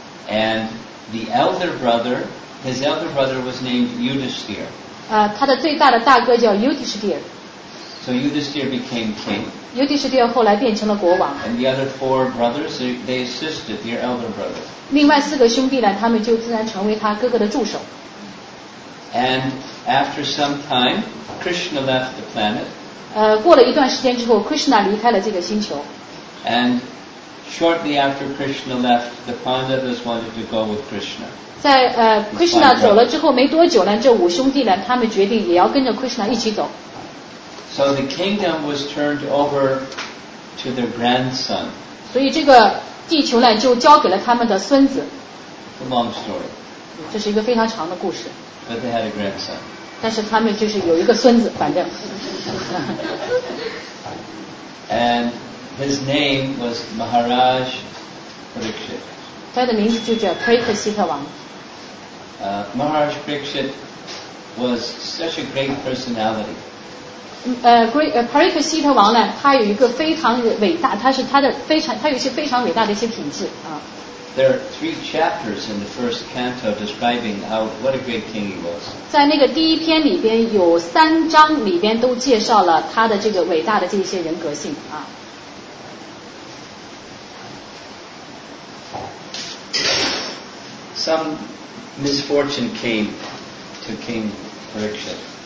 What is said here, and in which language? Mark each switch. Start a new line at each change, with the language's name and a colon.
English: And the elder brother, his elder brother was named Yudhisthira.
Chinese: 他的最大的大哥叫 Yudhisthira.
English: So Yudhisthira became king.
Chinese: Yudhisthira 后来变成了国王。
English: And the other four brothers, they assisted their elder brother.
Chinese: 另外四个兄弟呢，他们就自然成为他哥哥的助手。
English: And after some time, Krishna left the planet.
Chinese: 过了一段时间之后 ，Krishna 离开了这个星球。
English: And shortly after Krishna left, the Pandavas wanted to go with Krishna.
Chinese: 在Krishna 走了之后没多久呢，这五兄弟呢，他们决定也要跟着 Krishna 一起走。
English: So the kingdom was turned over to their grandson.
Chinese: 所以这个地球呢，就交给了他们的孙子。
English: A long story.
Chinese: 这是一个非常长的故事。
English: But they had a grandson.
Chinese: 但是他们就是有一个孙子，反正。
English: And his name was Maharaj Pariksit.
Chinese: 他的名字就叫 Pariksita 王。
English: Maharaj Pariksit was such a great personality.
Chinese: Pariksita 王呢，他有一个非常伟大，他是他的非常，他有一些非常伟大的一些品质啊。
English: There are three chapters in the first canto describing how what a great king he was.
Chinese: 在那个第一篇里边有三章里边都介绍了他的这个伟大的这些人格性啊。
English: Some misfortune came to King Pariksit.